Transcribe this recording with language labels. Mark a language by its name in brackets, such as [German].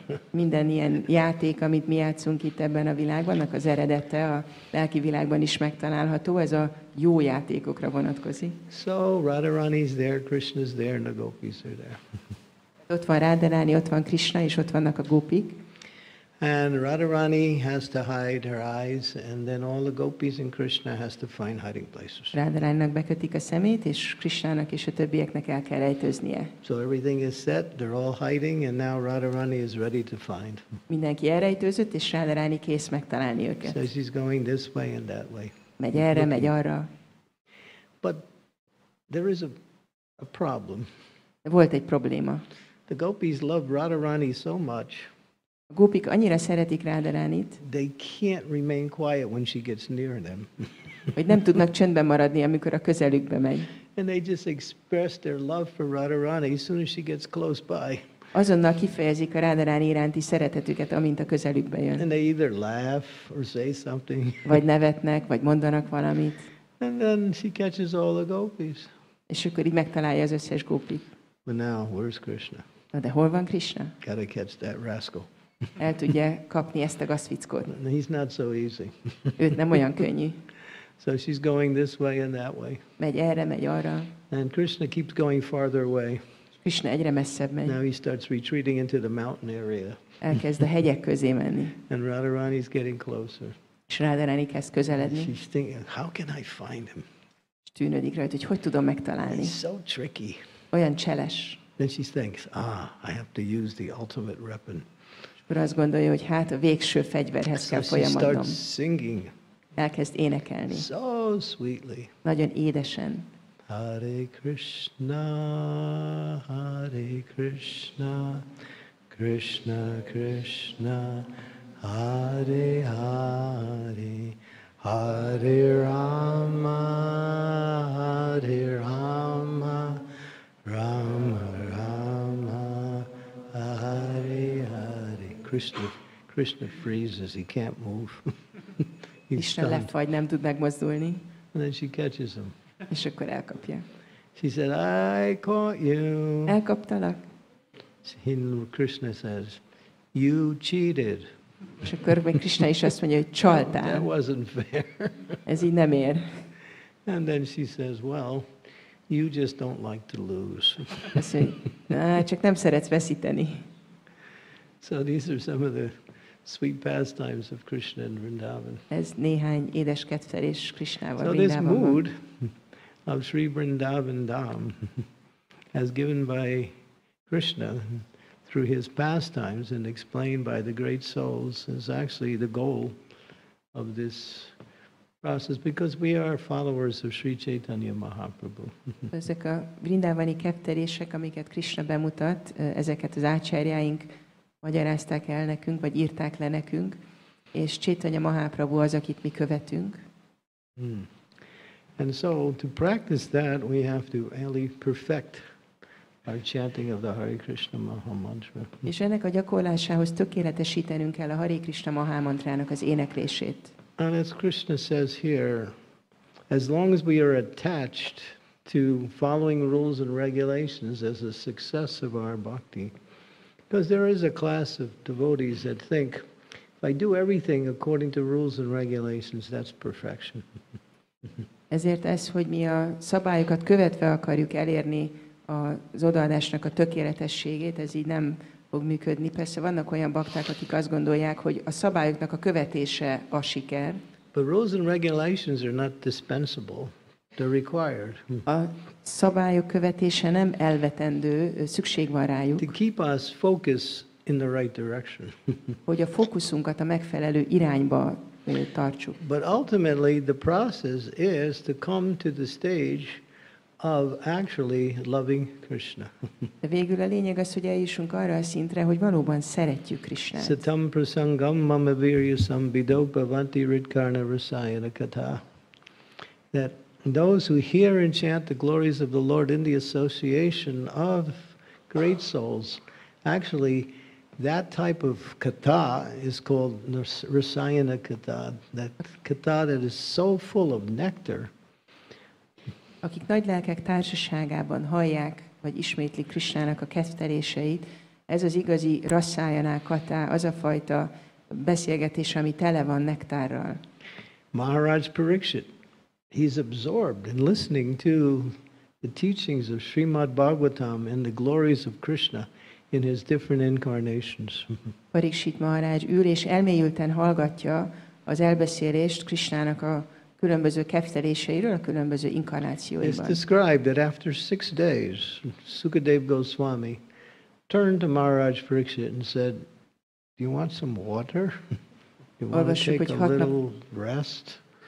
[Hungarian] Minden ilyen játék, amit mi játszunk itt ebben a világban, annak az eredete a lelki világban is megtalálható, ez a jó játékokra vonatkozik. [English] So Radharani is there, Krishna is there, and the gopis are there. [Hungarian] Ott van Radharani, ott van Krishna, és ott vannak a gopik. [English] And Radharani has to hide her eyes, and then all the gopis and Krishna has to find hiding places. [Hungarian] Radharaninak bekötik a szemét, és Krishnának és a többieknek el kell rejtőznie. [English] So everything is set, they're all hiding, and now Radharani is ready to find. [Hungarian] Mindenki elrejtőzött, és Radharani kész megtalálni őket. [English] So she's going this way and that way. [Hungarian] Megy erre, megy arra. [English] But there is a problem. [Hungarian] Volt egy probléma. [English] The gopis love Radharani so much. [Hungarian] A gópik annyira szeretik Radharanit. [English] They can't remain quiet when she gets near them. [Hungarian] Hogy nem tudnak csendben maradni, amikor a közelükbe megy. [English] And they just express their love for Radharani as soon as she gets close by. [Hungarian] Azonnal kifejezik a Radharani iránti szeretetüket, amint a közelükbe jön. [English] And they either laugh or say something. [Hungarian] Vagy nevetnek, vagy mondanak valamit. [English] And then she catches all the gopis. [Hungarian] És akkor így megtalálja az összes gópik. [English] But now, where's Krishna? [Hungarian] Na de hol van Krishna? [English] Gotta catch that rascal. [Hungarian] El tudja kapni ezt a gazvickót. [English] He's not so easy. [Hungarian] Őt nem olyan könnyű. [English] So she's going this way and that way. [Hungarian] Megy erre, megy arra. [English] And Krishna keeps going farther away. [Hungarian] Krishna egyre messzebb megy. [English] Now he starts retreating into the mountain area. [Hungarian] Elkezd a hegyek közé menni. [English] And Radharani's getting closer. [Hungarian] És Radharani kezd közeledni. [English] She's thinking, how can I find him? [Hungarian] És tűnődik rajta, hogy hogy tudom megtalálni. [English] He's so tricky. [Hungarian] Olyan cseles. [English] Then she thinks, ah, I have to use the ultimate weapon. [Hungarian] Akkor azt gondolja, hogy hát a végső fegyverhez kell folyamodnom. Elkezd énekelni. [English] So sweetly. [Hungarian] Nagyon édesen. [Sanskrit] Hare Krishna, Hare Krishna, Krishna Krishna, Hare Hare, Hare Rama, Hare Rama, Rama Rama, Hare Hare. [English] Krishna freezes, he can't move. He's stunned. [Hungarian] Krishna lefagy, nem tud megmozdulni. [English] And then she catches him. [Hungarian] És akkor elkapja. [English] She said, I caught you. [Hungarian] Elkaptalak. [English] Krishna says, you cheated. [Hungarian] És akkor még Krishna is azt mondja, hogy csaltál. [English] That wasn't fair. [Hungarian] Ez így nem ér. [English] And then she says, well, you just don't like to lose. [Hungarian] Azt mondja, csak nem szeretsz veszíteni. [English] So these are some of the sweet pastimes of Krishna and Vrindavan. [Hungarian] Ez néhány édes kedvelés Krishnával. [English] So this mood of Sri Vrindavan Dham has given by Krishna through his pastimes and explained by the great souls is actually the goal of this process because we are followers of Sri Chaitanya Mahaprabhu. [Hungarian] Ezek a Vrindavani kedvelések, amiket Krishna bemutat, ezeket az ácsárjáink magyarázták el nekünk, vagy írták le nekünk, és Chaitanya Mahaprabhu az, akit mi követünk. Hmm. [English] And so to practice that, we have to really perfect our chanting of the Hare Krishna Maha Mantra. [Hungarian] És ennek a gyakorlásához tökéletesítenünk kell a Hare Krishna Maha Mantrának az éneklését. [English] And as Krishna says here, as long as we are attached to following rules and regulations as a success of our bhakti, because there is a class of devotees that think if I do everything according to rules and regulations, that's perfection. [Hungarian] Ezért ez, hogy mi a szabályokat követve akarjuk elérni az odaadásnak a tökéletességét, ez így nem fog működni. Persze vannak olyan bakták, akik azt gondolják, hogy a szabályoknak a követése a siker. [English] But rules and regulations are not dispensable. They're required. [Hungarian] A szabályok követése nem elvetendő, szükség van rájuk. [English] To keep us focused in the right direction. [Hungarian] Hogy a fókuszunkat a megfelelő irányba tartsuk. [English] But ultimately the process is to come to the stage of actually loving Krishna. [Hungarian] De végül a lényeg az, hogy eljussunk arra a szintre, hogy valóban szeretjük Krishnát. [Sanskrit] Satam prasangam mama viryasam vidopa vanti ritkarna rasayana katha. [English] That those who hear and chant the glories of the Lord in the association of great souls, actually, that type of katha is called rasayana katha, that katha that is so full of nectar. [Hungarian] Akik nagy lelkek társaságában hallják, vagy ismétlik Krisnának a kedvteléseit, ez az igazi rasszájaná katá, az a fajta beszélgetés, ami tele van nektárral. [English] Maharaj Pariksit, he's absorbed in listening to the teachings of Srimad-Bhagavatam and the glories of Krishna in his different incarnations. [Hungarian] Pariksit Maharaj ül és elmélyülten hallgatja az elbeszélést Krishnának a különböző kefteléseiről, a különböző inkarnációiban. [English] It's described that after 6 days, Sukadev Goswami turned to Maharaj Pariksit and said, "Do you want some water? Do you want to take a little rest?"